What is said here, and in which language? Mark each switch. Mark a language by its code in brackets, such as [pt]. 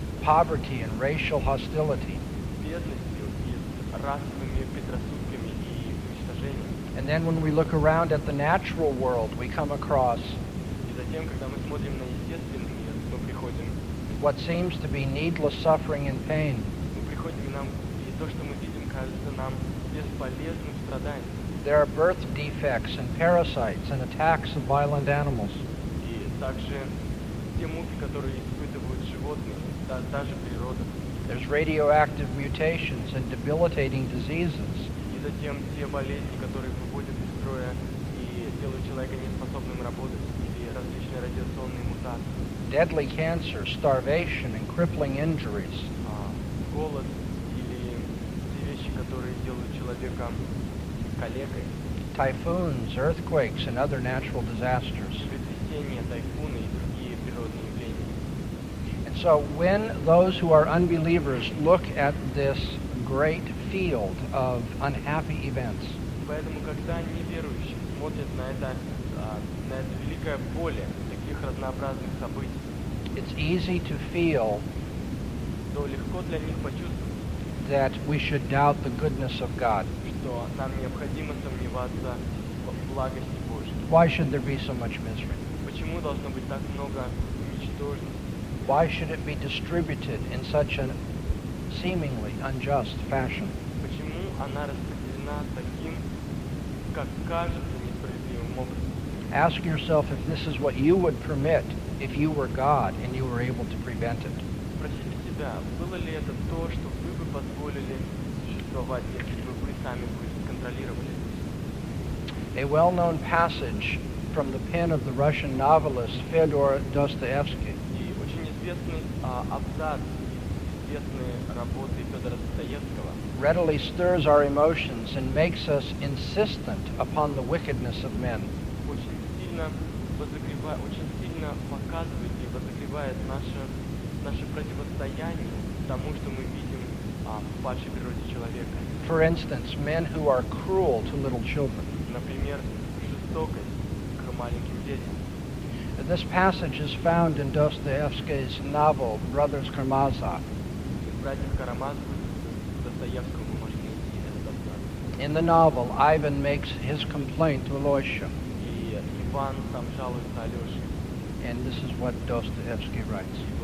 [en] Poverty and racial hostility. [ru] Бедностью и расовыми предрассудками и уничтожением. [en] And then when we look around at the natural world, we come across [ru] и затем, когда мы смотрим на естественный мир, мы приходим [en] what seems to be needless suffering and pain. [ru] Мы приходим, нам, и то, что мы видим, кажется нам бесполезным страданием. [en] There are birth defects and parasites and attacks of violent animals. [ru] И также те муки, которые испытывают животные, та же природа. [en] There's radioactive mutations and debilitating diseases. [ru] И затем те болезни, которые выводят из строя и делают человека неспособным работать, или различные радиационные мутации. [en] Deadly cancer, starvation, and crippling injuries. [ru] Голод или те вещи, которые делают человека калекой. [en] Typhoons, earthquakes, and other natural disasters. [ru] Землетрясения, тайфуны и другие природные явления. [en] And so when those who are unbelievers look at this great field of unhappy events, [ru] поэтому, когда неверующие смотрят на это великое поле таких разнообразных событий, [en] it's easy to feel [ru] то легко для них почувствовать [en] that we should doubt the goodness of God. [ru] Что нам необходимо сомневаться в благости Божьей. [en] Why should there be so much misery? [ru] Почему должно быть так много ничтожности? [en] Why should it be distributed in such a seemingly unjust fashion? [ru] Почему она распределена таким, как кажется, несправедливым образом? [en] Ask yourself if this is what you would permit if you were God and you were able to prevent it. [ru] Спросите себя, было ли это то, что вы бы позволили существовать, если бы вы сами бы контролировали? [en] A well-known passage from the pen of the Russian novelist Fyodor Dostoevsky. [ru] И очень известный абзац из известной работы Федора Достоевского [en] readily stirs our emotions and makes us insistent upon the wickedness of men. [ru] Очень сильно показывает и подогревает наше противостояние тому, что мы видим в падшей природе человека. [en] For instance, men who are cruel to little children. [ru] Например, жестокость к маленьким детям. [en] This passage is found in Dostoevsky's novel Brothers Karamazov. [ru] Братьев Карамазов, Достоевского вы можете найти этот абзац. [en] In the novel, Ivan makes his complaint to Alyosha. [ru] Иван там жалуется Алёше. [en] And this is what Dostoevsky writes.